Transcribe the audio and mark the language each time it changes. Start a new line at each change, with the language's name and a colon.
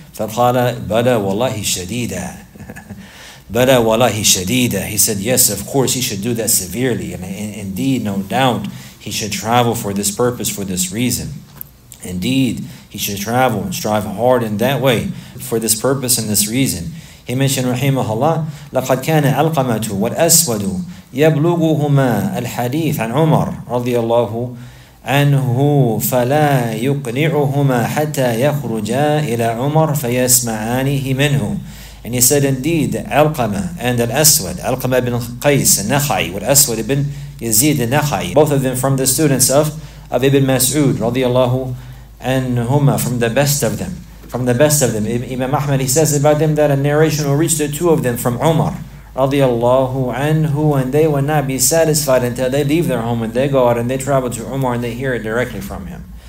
Arabic: فَقَالَ بَلَى وَاللَّهِ شَدِيدًا بَلَى وَاللَّهِ شَدِيدًا.
English: He said, yes, of course he should do that severely, and indeed, no doubt, he should travel for this purpose, for this reason. Indeed, he should travel and strive hard in that way for this purpose and this reason. He mentioned, rahimahullah,
Arabic: لَقَدْ كَانَ أَلْقَمَةُ وَالْأَسْوَدُ يَبْلُغُهُمَا الْحَدِيثُ عَنْ عُمَرَ رَضِيَ اللَّهُ عَنْهُ فَلَا يُقْنِعُهُمَا حَتَّى يَخْرُجَا إِلَى عُمَرَ فَيَسْمَعَانِهِ مِنْهُ.
English: And he said, indeed, Alqama and Al-Aswad, Alqama ibn Qais al-Nakhai, Al-Aswad ibn Yazid al-Nakhai, both of them from the students of Ibn Mas'ud, radiyallahu anhuma, from the best of them. From the best of them. Imam Ahmad, he says about them that a narration will reach the two of them from Umar, radiyallahu anhu, and they will not be satisfied until they leave their home and they go out and they travel to Umar and they hear it directly from him.